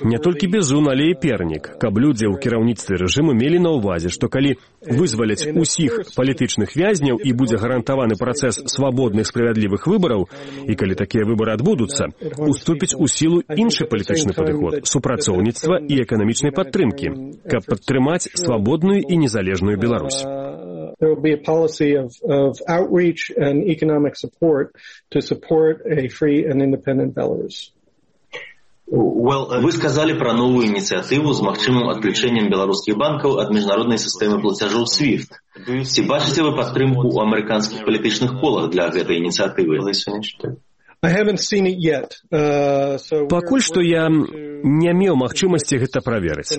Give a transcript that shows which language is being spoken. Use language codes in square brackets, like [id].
[be] Не толькі бізун, але і пернік, каб людзі ў кіраўніцтве рэжыму мелі на ўвазе, што калі вызваляць усіх палітычных вязняў і будзе гарантаваны працэс свабодных справядлівых выбараў, і калі такія выбары адбудуцца, уступіць у сілу іншы палітычны падыход, супрацоўніцтва і эканамічнай падтрымкі, каб падтрымаць свабодную і незалежную Беларусь. [en] There will be a policy of outreach and economic support to support a free and independent Belarus. [be] Вы сказалі пра новую ініцыятыву з магчымым адключэннем беларускіх банкаў ад міжнароднай сістэмы плацяжоў SWIFT. Ці бачыце вы падтрымку ў амерыканскіх палітычных колах для гэтай ініцыятывы? Пакуль што я не меў магчымасці гэта праверыць.